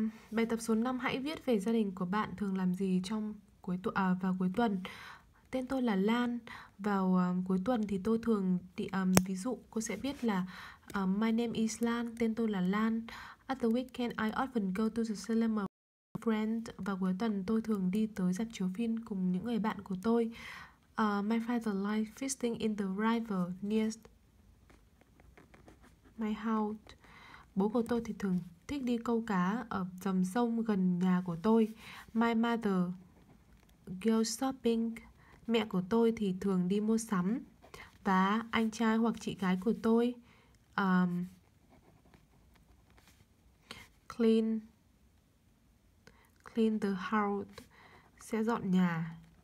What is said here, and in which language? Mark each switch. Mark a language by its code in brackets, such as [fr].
[vi] Bài tập số 5, hãy viết về gia đình của bạn thường làm gì trong cuối tuần. Tên tôi là Lan. Vào cuối tuần thì tôi thường ví dụ cô sẽ viết là [en] my name is Lan, [vi] tên tôi là Lan. [en] At the weekend I often go to the cinema with my friends. [vi] Vào cuối tuần tôi thường đi tới rạp chiếu phim cùng những người bạn của tôi. [en] My father likes fishing in the river near my house. [vi] Bố của tôi thì thường thích đi câu cá ở dòng sông gần nhà của tôi. [en] My mother goes shopping. [vi] Mẹ của tôi thì thường đi mua sắm. Và anh trai hoặc chị gái của tôi [en] clean the house, [vi] sẽ dọn nhà.